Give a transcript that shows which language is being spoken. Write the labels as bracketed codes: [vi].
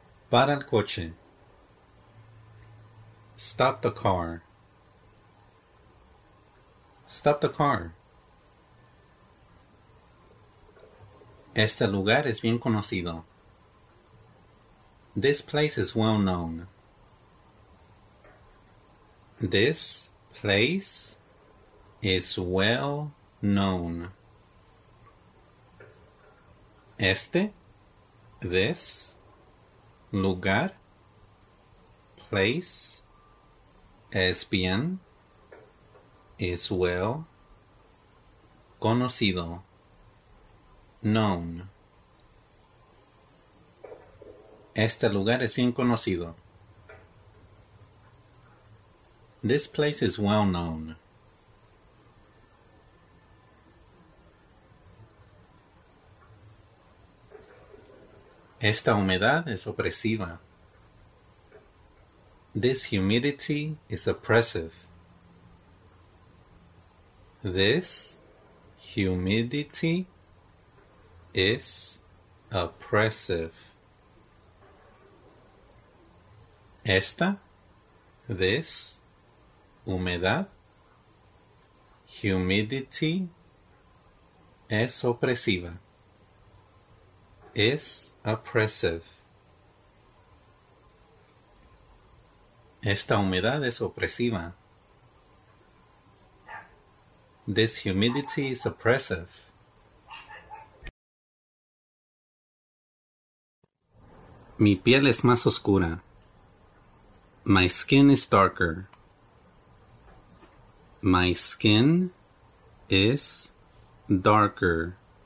[es] Para el coche. [en] Stop the car. Stop the car. [es] Este lugar es bien conocido. [en] This place is well known. This place is well known. [es] Este, [en] this, [es] lugar, [en] place, [es] es bien, [en] is well, [es] conocido, [en] known. [es] Este lugar es bien conocido. [en] This place is well known. [es] Esta humedad es opresiva. [en] This humidity is oppressive. This humidity is oppressive. [es] Esta, [en] this, [es] humedad, [en] humidity, [es] es opresiva. [en] Is oppressive. [es] Esta humedad es opresiva. [en] This humidity is oppressive. [es] Mi piel es más oscura. [en] My skin is darker. My skin is darker.